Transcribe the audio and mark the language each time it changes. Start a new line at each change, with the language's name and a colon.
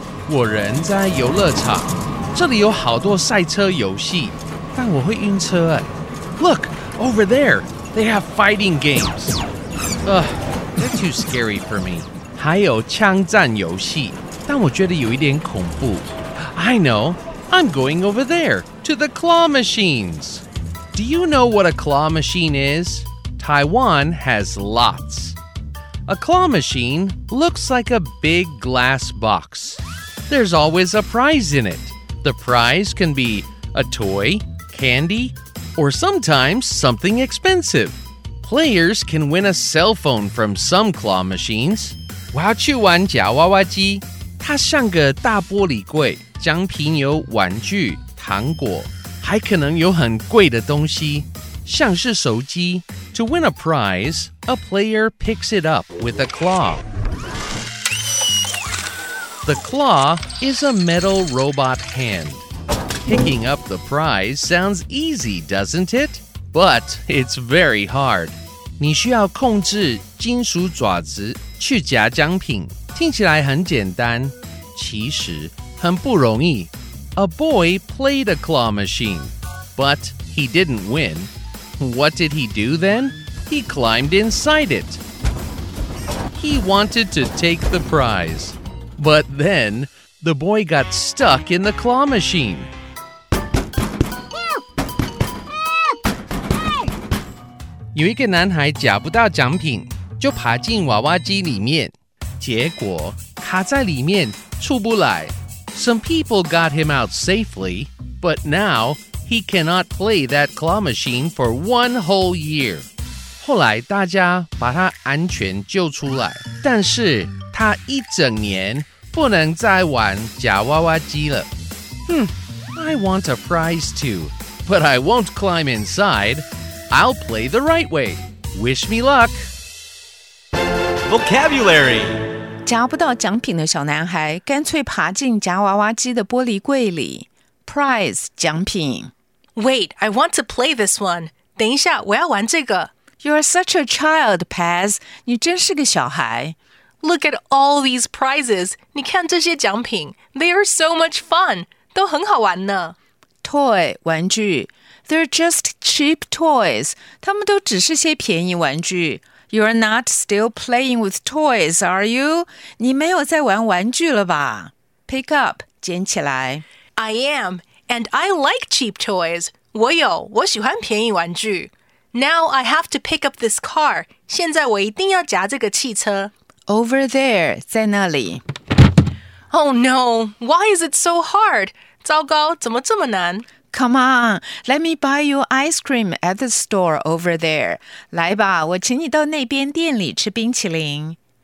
Chinese: 我人在遊樂場，這裡有好多賽車遊戲，但我會暈車欸。
English: Look, over there, they have fighting games. They're too scary for me.
Chinese: 還有槍戰遊戲，但我覺得有一點恐怖。
English: I know, I'm going over there, to the claw machines. Do you know what a claw machine is? Taiwan has lots. A claw machine looks like a big glass box. There's always a prize in it. The prize can be a toy, candy, or sometimes something expensive. Players can win a cell phone from some claw machines.
Chinese: 我要去玩夹娃娃机，它像个大玻璃柜，奖品有玩具、糖果，还可能有很贵的东西，像是手机。
English: To win a prize, a player picks it up with a claw. The claw is a metal robot hand. Picking up the prize sounds easy, doesn't it? But it's very hard.
Chinese: 你需要控制金属爪子去夹奖品。听起来很简单，其实很不容易。
English: A boy played a claw machine, but he didn't win. What did he do then? He climbed inside it. He wanted to take the prize. But then, the boy got stuck in the claw machine. Help! Help! Hey!
Chinese: 有一个男孩夹不到奖品，就爬进娃娃机里面，结果卡在里面出不来。
English: Some people got him out safely, but now,He cannot play that claw machine for one whole year.
Chinese: 后来大家把他安全救出来，但是他一整年不能再玩夹娃娃机了。
English: I want a prize too, but I won't climb inside. I'll play the right way. Wish me luck. Vocabulary.
Chinese: 夹不到奖品的小男孩干脆爬进夹娃娃机的玻璃柜里。
English: Prize 奖品。 Wait, I want to play this one.
Chinese: 等一下，我要玩这个。
English: You're such a child, Paz.
Chinese: 你真是个小孩。
English: Look at all these prizes.
Chinese: 你看这些奖品。
English: They are so much fun.
Chinese: 都很好玩呢。
English: Toy, 玩具。They're just cheap toys.
Chinese: 他们都只是些便宜玩具。
English: You're not still playing with toys, are you?
Chinese: 你没有在玩玩具了吧 ？
English: Pick up,
Chinese: 捡起来。
English: I am. And I like cheap toys.
Chinese: 我有，我喜欢便宜玩具。
English: Now I have to pick up this car.
Chinese: 现在我一定要夹这个汽车。
English: Over there,
Chinese: 在那里。
English: Oh no, why is it so hard?
Chinese: 糟糕，怎么这么难？
English: Come on, let me buy you ice cream at the store over there.
Chinese: 来吧，我请你到那边店里吃冰淇淋。